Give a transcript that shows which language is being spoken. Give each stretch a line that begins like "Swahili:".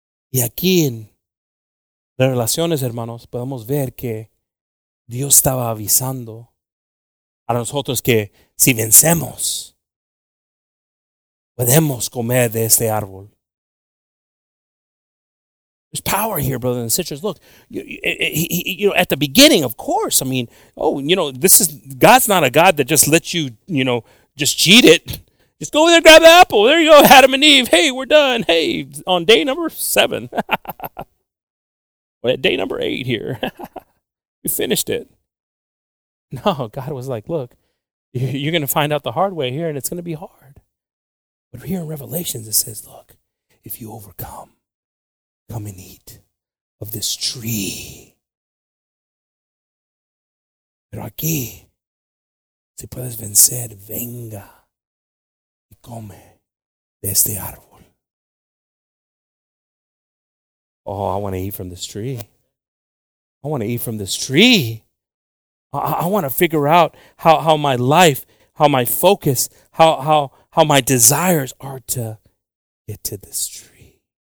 Spanish: Y aquí en las relaciones, hermanos, podemos ver que Dios estaba avisando a nosotros que si vencemos, podemos comer de este árbol.
English: There's power here, brothers and sisters. Look, you know, at the beginning, of course, I mean, oh, you know, this is, God's not a God that just lets you, you know, just cheat it. Just go over there, grab the apple. There you go, Adam and Eve. Hey, we're done. Hey, on day number 7. We're at day number 8 here. We finished it. No, God was like, look, you're going to find out the hard way here, and it's going to be hard. But here in Revelations, it says, look, if you overcome, come and eat of this tree.
Spanish: Pero aquí, si puedes vencer, venga y come de este árbol.
English: Oh, I want to eat from this tree. I want to eat from this tree. I want to figure out how my life, how my focus, how my desires are to get to this tree.